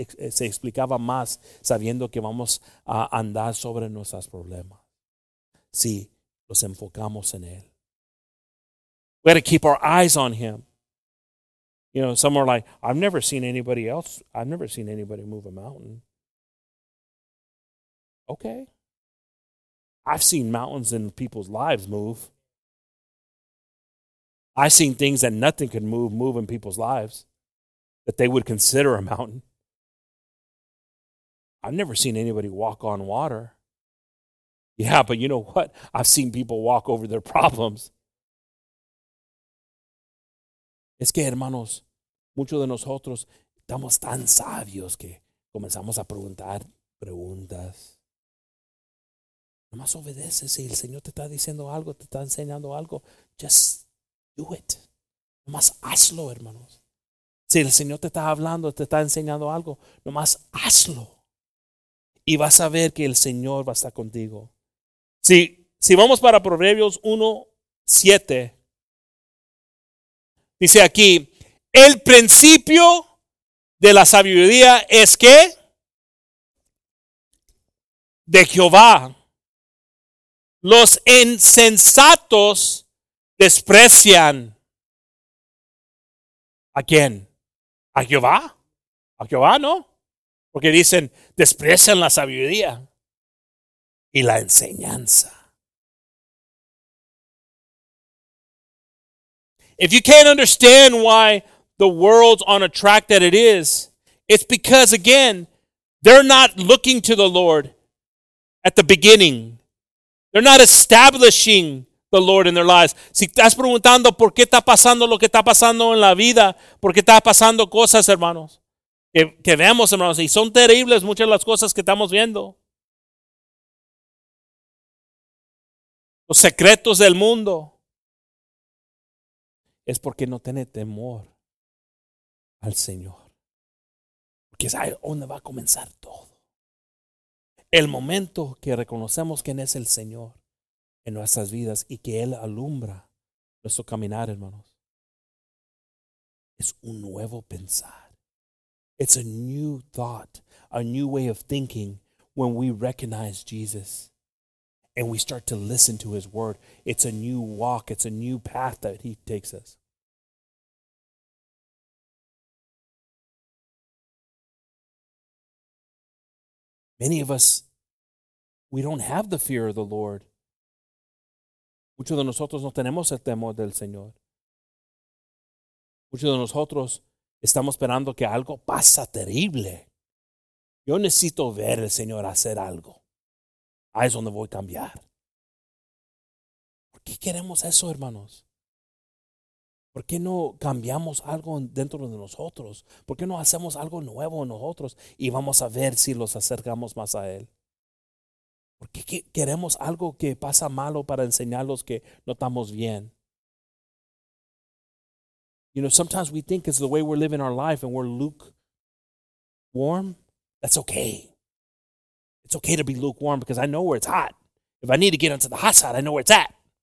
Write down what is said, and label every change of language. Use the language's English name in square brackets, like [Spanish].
[Spanish] Se explicaba más sabiendo que vamos a andar sobre nuestros problemas. Sí, nos enfocamos en Él. [English] We had to keep our eyes on Him. You know, some are like, I've never seen anybody move a mountain. Okay. I've seen mountains in people's lives move. I've seen things that nothing could move in people's lives that they would consider a mountain. I've never seen anybody walk on water. Yeah, but you know what? I've seen people walk over their problems. [Spanish] Es que, hermanos, muchos de nosotros estamos tan sabios que comenzamos a preguntar preguntas. Nomás obedece. Si el Señor te está diciendo algo, te está enseñando algo, [English] just do it. [Spanish] Nomás hazlo, hermanos. Si el Señor te está hablando, te está enseñando algo, nomás hazlo. Y vas a ver que el Señor va a estar contigo. Si vamos para Proverbios 1:7, dice aquí, el principio de la sabiduría es ¿qué? De Jehová. Los insensatos desprecian. ¿A quién? ¿A Jehová? ¿A Jehová no? Porque dicen, desprecian la sabiduría y la enseñanza. [English] If you can't understand why the world's on a track that it is, it's because, again, they're not looking to the Lord at the beginning. They're not establishing the Lord in their lives. [Spanish] Si estás preguntando por qué está pasando lo que está pasando en la vida, por qué está pasando cosas, hermanos, que vemos, hermanos, y son terribles muchas de las cosas que estamos viendo. Los secretos del mundo. Es porque no tiene temor al Señor. Porque es ahí donde va a comenzar todo. El momento que reconocemos quién es el Señor en nuestras vidas y que Él alumbra nuestro caminar, hermanos, es un nuevo pensar. [English] It's a new thought, a new way of thinking when we recognize Jesus and we start to listen to His word. It's a new walk, it's a new path that He takes us. Many of us, we don't have the fear of the Lord. [Spanish] Muchos de nosotros no tenemos el temor del Señor. Muchos de nosotros estamos esperando que algo pasa terrible. Yo necesito ver al Señor hacer algo. Ahí es donde voy a cambiar. ¿Por qué queremos eso, hermanos? ¿Por qué no cambiamos algo dentro de nosotros? ¿Por qué no hacemos algo nuevo en nosotros? Y vamos a ver si los acercamos más a Él. ¿Por qué queremos algo que pasa malo para enseñarlos que no estamos bien? [English] You know, sometimes we think it's the way we're living our life and we're lukewarm. That's okay. It's okay to be lukewarm because I know where it's hot. If I need to get onto the hot side, I know where it's at.